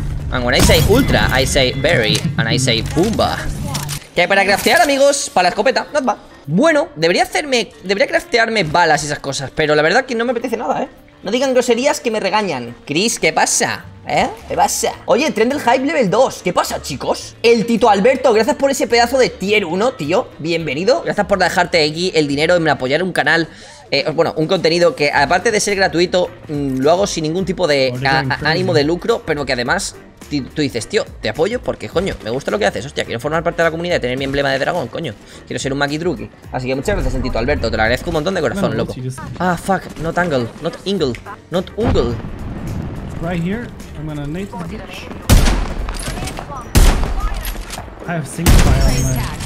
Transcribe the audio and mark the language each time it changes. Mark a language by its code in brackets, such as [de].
[en] And when I say ultra, I say very. And I say boomba. [es] Que hay para craftear, amigos. Para la escopeta, [en] not bad. [es] Bueno, debería hacerme, debería craftearme balas y esas cosas. Pero la verdad que no me apetece nada, ¿eh? No digan groserías que me regañan. Chris, ¿qué pasa? ¿Eh? ¿Qué pasa? Oye, tren del hype level 2. ¿Qué pasa, chicos? El Tito Alberto, gracias por ese pedazo de tier 1, tío. Bienvenido. Gracias por dejarte aquí el dinero en apoyar un canal. Bueno, un contenido que aparte de ser gratuito, lo hago sin ningún tipo de ánimo de lucro, pero que además tú dices, tío, te apoyo porque, coño, me gusta lo que haces. Hostia, quiero formar parte de la comunidad y tener mi emblema de dragón, coño. Quiero ser un Maki Truki. Así que muchas gracias, Tito Alberto. Te lo agradezco un montón de corazón, loco. [en] Ah, fuck, not angle, not ingle, not ungle. Right here, I'm gonna nade the bitch. I have single fire on my...